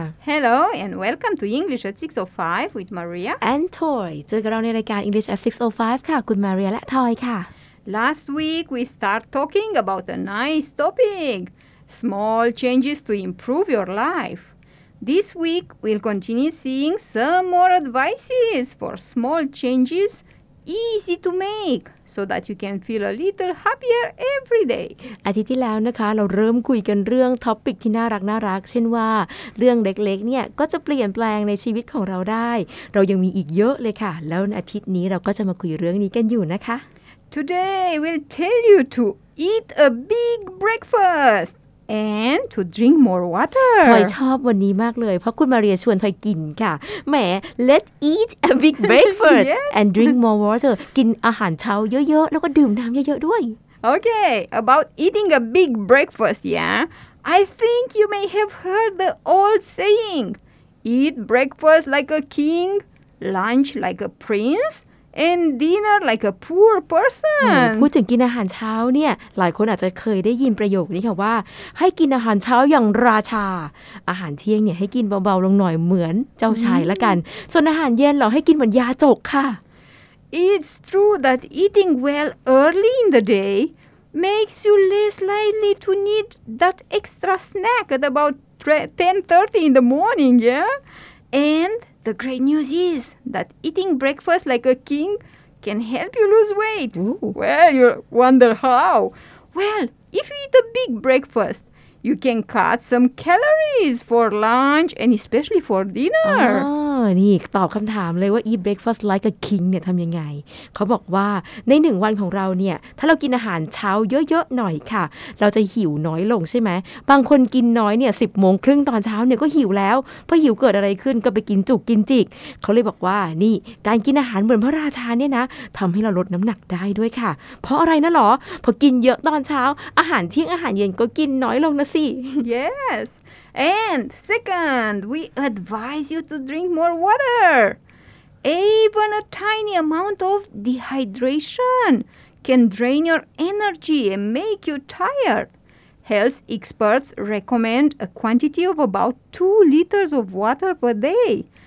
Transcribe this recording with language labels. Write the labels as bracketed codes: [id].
[en] Hello and welcome to English at 6:05 with Maria and Toy. [th] เจอกับเราในรายการ English at 6:05 ค่ะคุณมาเรียและทอยค่ะ [en] Last week we start talking about a nice topic, small changes to improve your life. This week, we'll continue seeing some more advices for small changes easy to make so that you can feel a little happier every day. [th] อาทิตย์ที่แล้วนะคะเราเริ่มคุยกันเรื่องท็อปิกที่น่ารักน่ารักเช่นว่าเรื่องเล็กๆเนี่ยก็จะเปลี่ยนแปลงในชีวิตของเราได้เรายังมีอีกเยอะเลยค่ะแล้วอาทิตย์นี้เราก็จะมาคุยเรื่องนี้กันอยู่นะคะ [en] Today, we'll tell you to eat a big breakfastAnd to drink more water. [th] ทอยชอบวันนี้มากเลยเพราะคุณมาเรียชวนทอยกินค่ะแหม [en] Let's eat a big breakfast yes. and drink more water. [th] กินอาหารเช้าเยอะๆแล้วก็ดื่มน้ำเยอะๆด้วย [en] Okay, about eating a big breakfast, yeah. I think you may have heard the old saying, "Eat breakfast like a king, lunch like a prince." And dinner like a poor person. [th] พูดถึงกินอาหารเช้าเนี่ยหลายคนอาจจะเคยได้ยินประโยคนี้ค่ะว่าให้กินอาหารเช้าอย่างราชาอาหารเที่ยงเนี่ยให้กินเบาๆลงหน่อยเหมือนเจ้าชายละกันส่วนอาหารเย็นเราให้กินเหมือนยาจกค่ะ [en] It's true that eating well early in the day makes you less likely to need that extra snack at about 10:30 in the morning, yeah? AndThe great news is that eating breakfast like a king can help you lose weight. Ooh. Well, you wonder how. Well, if you eat a big breakfast, you can cut some calories for lunch and especially for dinner. [th] นี่ตอบคำถามเลยว่า [en] eat breakfast like a king [th] เนี่ยทำยังไงเขาบอกว่าในหนึ่งวันของเราเนี่ยถ้าเรากินอาหารเช้าเยอะๆหน่อยค่ะเราจะหิวน้อยลงใช่ไหมบางคนกินน้อยเนี่ย10:30ตอนเช้าเนี่ยก็หิวแล้วพอหิวเกิดอะไรขึ้นก็ไปกินจุกกินจิกเขาเลยบอกว่านี่การกินอาหารเหมือนพระราชาเนี่ยนะทำให้เราลดน้ำหนักได้ด้วยค่ะเพราะอะไรนะหรอพอกินเยอะตอนเช้าอาหารเที่ยงอาหารเย็นก็กินน้อยลงนะสิ [en] yesAnd second, we advise you to drink more water. Even a tiny amount of dehydration can drain your energy and make you tired. Health experts recommend a quantity of about 2 liters of water per day.